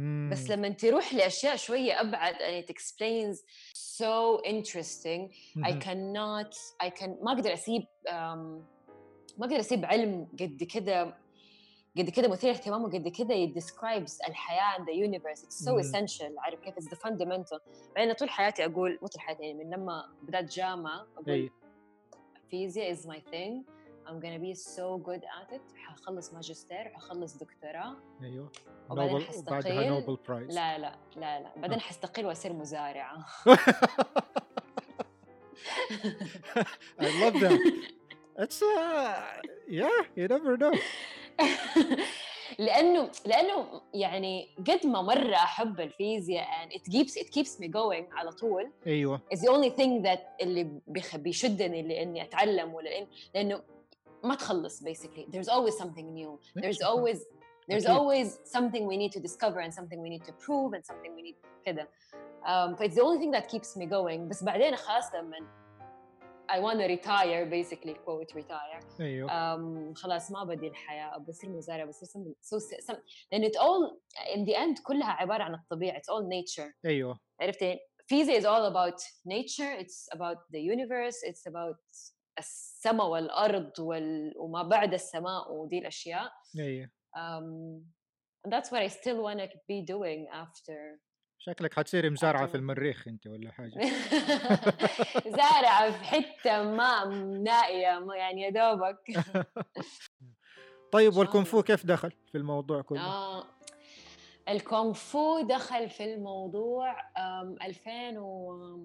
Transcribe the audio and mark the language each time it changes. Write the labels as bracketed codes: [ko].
[ar] بس لما انت روح لأشياء شوية أبعد [en] and it explains so interesting [ar] ما أقدر أسيب علم قد كده مثير اهتمامه قد كده [en] it describes [ar] الحياة [en] and the universe it's so essential [ar] عارف كيف [en] it's the fundamental [ar] بعدين طول حياتي أقول مثل حياتي يعني من لما بدأت جامعة أقول فيزياء [en] is my thing I'm gonna be so good at it [ar] حخلص ماجستير حخلص دكتوراه أيوة. وبعدين حستقيل بعدها نوبل برايز لا لا لا لا بعدين حستقيل وأصير مزارعة [en] I love that it's yeah you never know [ar] لأنه يعني قد ما مرة أحب الفيزياء [en] and it keeps me going [ar] على طول أيوة [en] is the only thing that [ar] اللي بيشدني لأني أتعلم ولا لأنه ما تخلص [en] basically there's always something new there's always something we need to discover and something we need to prove and something we need كده but it's the only thing that keeps me going [ar] بس بعدين خلاص لما [en] I want to retire, basically, quote, retire. [ar] أيوة. خلاص ما بدي الحياة بصير مزارع بصير لأن [en] it all, in the end, [ar] كلها عبارة عن الطبيعة. [en] It's all nature. [ar] أيوة. عرفتي؟ [en] Physics is all about nature. It's about the universe. It's about [ar] السماء والأرض وما بعد السماء ودي الأشياء. أيوة. [en] And that's what I still want to be doing after... [ar] شكلك حتصير مزارعة في المريخ انت ولا حاجة زارعة في حتة ما نائية يعني يا دوبك طيب والكونفو كيف دخل في الموضوع كله؟ الكونفو دخل في الموضوع 2000 و...